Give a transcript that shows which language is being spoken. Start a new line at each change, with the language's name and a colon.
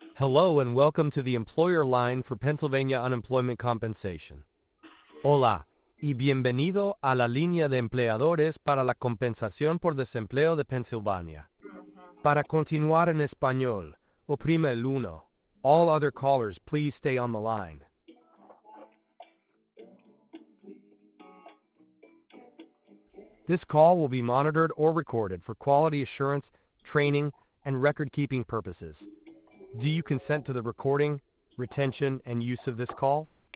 English: Hello and welcome to the employer line for Pennsylvania Unemployment Compensation.
Spanish: Hola y bienvenido a la línea de empleadores para la compensación por desempleo de Pennsylvania. Para continuar en español, oprime el 1.
English: All other callers, please stay on the line. This call will be monitored or recorded for quality assurance, training, and record-keeping purposes. Do you consent to the recording, retention, and use of this call?